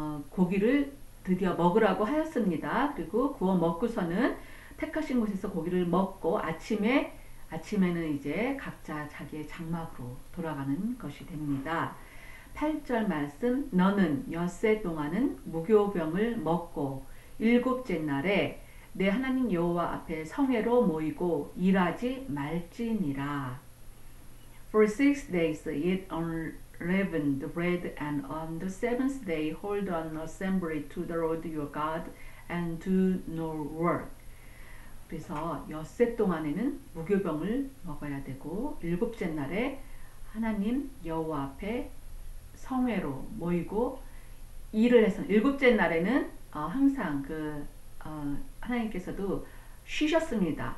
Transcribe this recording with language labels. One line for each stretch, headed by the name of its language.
Korean: 고기를 드디어 먹으라고 하였습니다. 그리고 구워 먹고서는 택하신 곳에서 고기를 먹고 아침에는 이제 각자 자기의 장막으로 돌아가는 것이 됩니다. 8절 말씀 너는 엿새 동안은 무교병을 먹고 일곱째 날에 내 하나님 여호와 앞에 성회로 모이고 일하지 말지니라.
English: For six days eat unleavened bread and on the seventh day hold an assembly to the Lord your God and do no work.
Korean: 그래서 엿새 동안에는 무교병을 먹어야 되고 일곱째 날에 하나님 여호와 앞에 성회로 모이고 일을 해서 일곱째 날에는 항상 하나님께서도 쉬셨습니다.